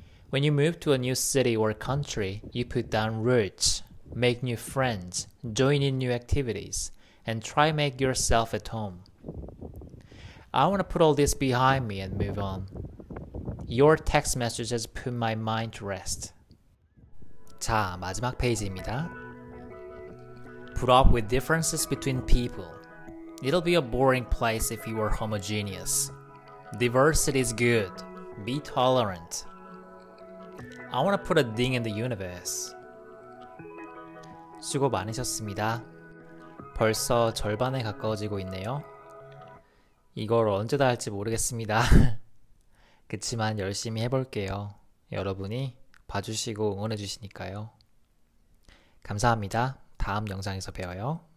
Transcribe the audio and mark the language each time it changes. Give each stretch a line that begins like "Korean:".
English: When you move to a new city or country, you put down roots, make new friends, join in new activities, and try make yourself at home. I want to put all this behind me and move on. Your text message has put my mind to rest.
Korean: 자, 마지막 페이지입니다.
English: Put up with differences between people. It'll be a boring place if you are homogeneous. Diversity is good. Be tolerant. I want to put a ding in the universe.
Korean: 수고 많으셨습니다. 벌써 절반에 가까워지고 있네요. 이걸 언제 다 할지 모르겠습니다. 그치만 열심히 해볼게요. 여러분이 봐주시고 응원해주시니까요. 감사합니다. 다음 영상에서 봬요.